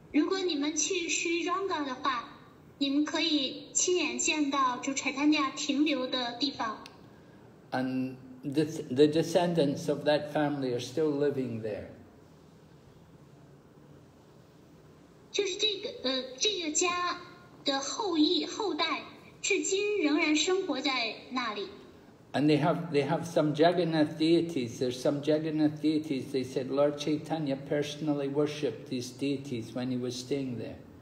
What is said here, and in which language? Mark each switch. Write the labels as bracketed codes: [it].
[zh] 如果你们去Sri Rangam的话, 你们可以亲眼见到主产丹亚停留的地方。 [en] And the descendants of that family are still living there. [zh] 就是这个家的后裔后代至今仍然生活在那里。 [en] And they have some Jagannath deities. There's some Jagannath deities. They said Lord Chaitanya personally worshipped these deities when he was staying there.